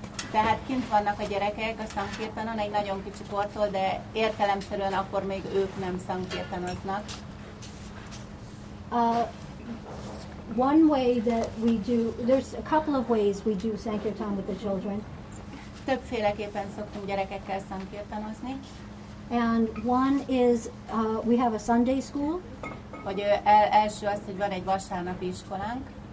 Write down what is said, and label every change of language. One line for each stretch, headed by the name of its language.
Hungarian: Tehát kint vannak a gyerekek a Sankirtanon, egy nagyon kicsi kortól, de értelemszerűen akkor még ők nem Sankirtanoznak.
English: One way that we do, there's a couple of ways we do Sankirtan with the children.
Hungarian: Többféleképpen szoktunk gyerekekkel szankirtanozni.
English: And one is we have a Sunday school.
Hungarian: Vagy első az, hogy van egy vasárnapi iskolánk.